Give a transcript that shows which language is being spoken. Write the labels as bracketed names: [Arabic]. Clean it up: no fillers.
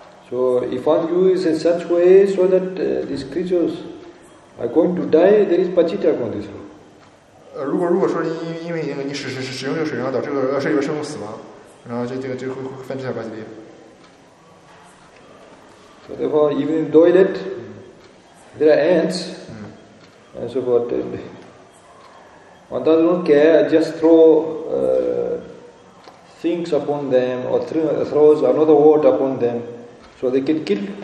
[English] So if one uses in such way so that these creatures are going to die, there is pachita on this one. [Chinese] 如果说因为那个你使用这个水，然后导致水里边生物死亡，然后这个就会分支下巴基地。 [English] So therefore, even in toilet, there are ants. and so forth. And one does not care, just throw things upon them or throws another word upon them, so they can kill.